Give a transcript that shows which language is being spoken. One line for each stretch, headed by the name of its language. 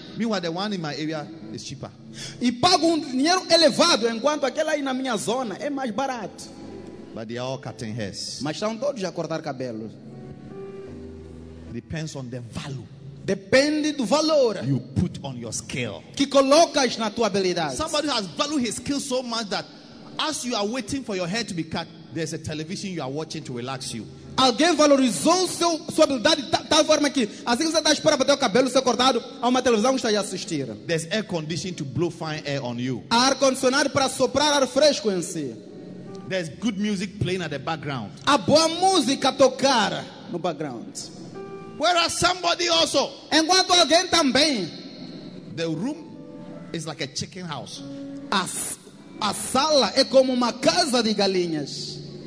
English: Meanwhile, the one in my area is cheaper.
Portuguese: E pago dinheiro elevado, enquanto aquele aí na minha zona é mais barato.
English: But they are all cutting hairs.
Portuguese: Mas estão todos a cortar cabelo.
English: Depends on the value.
Portuguese: Depende do valor
English: you put on your skill.
Portuguese: Que colocas na tua habilidade.
English: Somebody has valued his skill so much that as you are waiting for your hair to be cut, there's a television you are watching to relax you.
Portuguese: Alguém valorizou sua habilidade de tal forma que assim que você está esperando para ter o cabelo ser cortado, há uma televisão que está a assistir.
English: There's air conditioning to blow fine air on you.
Portuguese: Há ar condicionado para soprar ar fresco em si.
English: There's good music playing at the background.
Portuguese: Há boa música a tocar no background.
English: Whereas somebody also.
Portuguese: Enquanto alguém também.
English: The room is like a chicken house.
Portuguese: A sala é como uma casa de galinhas.